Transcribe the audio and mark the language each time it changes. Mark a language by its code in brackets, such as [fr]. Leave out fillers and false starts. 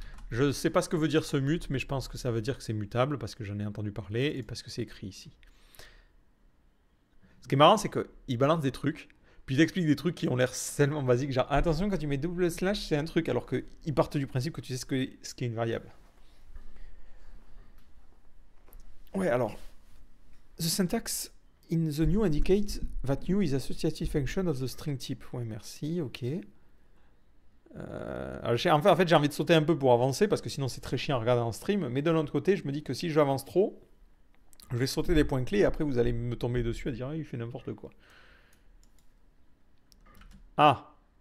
[fr] Je ne sais pas ce que veut dire ce mute, mais je pense que ça veut dire que c'est mutable parce que j'en ai entendu parler et parce que c'est écrit ici. Ce qui est marrant, c'est qu'il balance des trucs, puis il explique des trucs qui ont l'air tellement basiques. Genre, attention, quand tu mets double slash, c'est un truc, alors qu'il part du principe que tu sais ce qu'est une variable. Ouais, alors. [en] The syntax in the new indicates that new is associative function of the string type. [fr] Ouais, merci, ok. En fait, j'ai envie de sauter un peu pour avancer parce que sinon c'est très chiant à regarder en stream. Mais de l'autre côté, je me dis que si j'avance trop, Je vais sauter des points clés et après vous allez me tomber dessus à dire ah, il fait n'importe quoi. Ah.